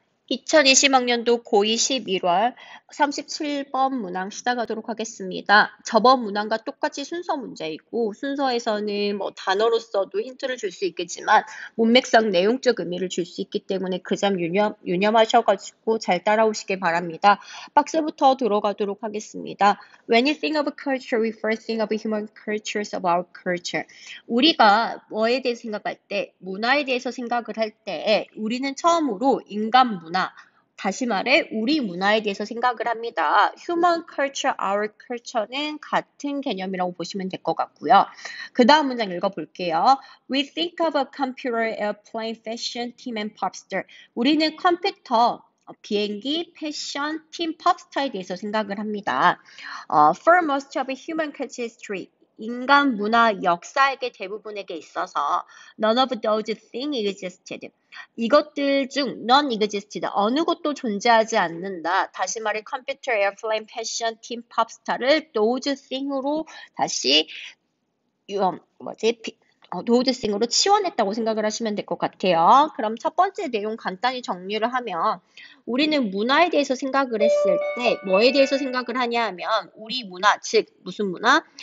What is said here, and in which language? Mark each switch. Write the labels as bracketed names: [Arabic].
[Korean] 2020학년도 고2 11월 37번 문항 시작하도록 하겠습니다. 저번 문항과 똑같이 순서 문제이고, 순서에서는 뭐 단어로서도 힌트를 줄수 있겠지만, 문맥상 내용적 의미를 줄수 있기 때문에 그점 유념하셔가지고 잘 따라오시길 바랍니다. 박스부터 들어가도록 하겠습니다. [English] When you think of culture, we first think of human cultures of our culture. [Korean] 우리가 뭐에 대해 생각할 때, 문화에 대해서 생각을 할 때, 우리는 처음으로 인간 문화, 다시 말해 우리 문화에 대해서 생각을 합니다. [English] Human culture, our culture [Korean] 는 같은 개념이라고 보시면 될것 같고요. 그 다음 문장 읽어볼게요. [English] We think of a computer, airplane, fashion, team, and pop star. [Korean] 우리는 컴퓨터, 비행기, 패션, 팀, 팝스타에 대해서 생각을 합니다. [English] For most of human culture history, [Korean] 인간 문화 역사에게 대부분에게 있어서 [English] none of those things existed. [Korean] 이것들 중 [English] none existed. [Korean] 어느 것도 존재하지 않는다. 다시 말해 컴퓨터, 에어플레인, 패션, 팀, 팝스타를 those things으로 다시 뭐지? those things으로 치환했다고 생각을 하시면 될것 같아요. 그럼 첫 번째 내용 간단히 정리를 하면 우리는 문화에 대해서 생각을 했을 때 뭐에 대해서 생각을 하냐 하면 우리 문화, 즉 무슨 문화?